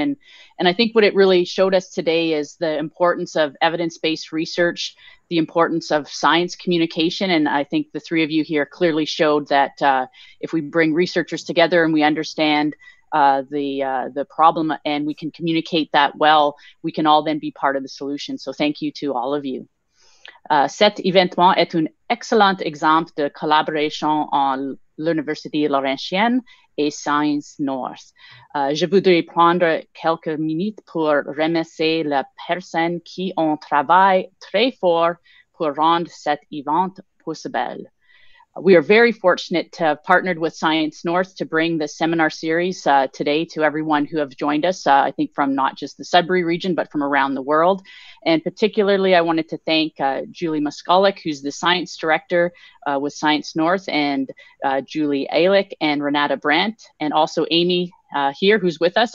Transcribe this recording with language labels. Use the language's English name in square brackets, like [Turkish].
[English] And I think what it really showed us today is the importance of evidence-based research, the importance of science communication. And I think the three of you here clearly showed that if we bring researchers together and we understand the problem and we can communicate that well, we can all then be part of the solution. So thank you to all of you. [French] Cet événement est un excellent exemple de collaboration entre l'Université Laurentienne et Science North. Je voudrais prendre quelques minutes pour remercier les personnes qui ont travaillé très fort pour rendre cet event possible. [English] We are very fortunate to have partnered with Science North to bring the seminar series today to everyone who have joined us, I think from not just the Sudbury region, but from around the world. And particularly, I wanted to thank Julie Muskolic, who's the science director with Science North, and Julie Alick and Renata Brandt, and also Amy here, who's with us.